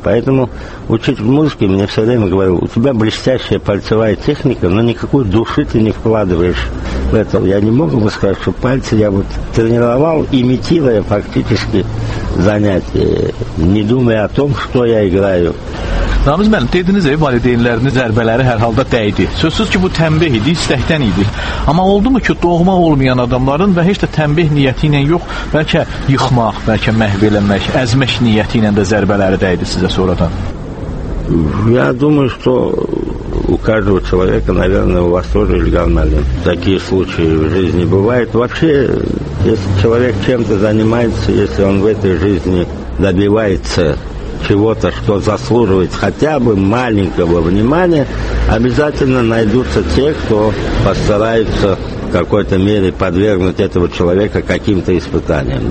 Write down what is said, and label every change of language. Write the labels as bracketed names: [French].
[Russian] Поэтому учитель музыки мне все время говорил, у тебя блестящая пальцевая техника, но никакой души ты не вкладываешь в это. Я не мог бы сказать, что пальцы я вот тренировал, имитируя фактически занятия, не думая о том, что я играю. [Azerbaijani] Namız Məlim, dediniz ki, valideynləriniz zərbələri hər halda dəydi. Sözsüz ki, bu tənbih idi, istəkdən idi. Amma oldu mu ki, doğma olmayan adamların və heç də tənbih niyyəti ilə yox, bəlkə yıxmaq, bəlkə məhv eləmək, əzmək niyyəti ilə də zərbələri dəydi sizə sonradan? [Russian] Я думаю, что у каждого человека, наверное, у вас тоже, Ильгар Мэлин, такие случаи в жизни бывают. Вообще, если человек чем-то занимается, если он в этой жизни добивается чего-то, что заслуживает хотя бы маленького внимания, обязательно найдутся те, кто постарается в какой-то мере подвергнуть этого человека каким-то испытаниям.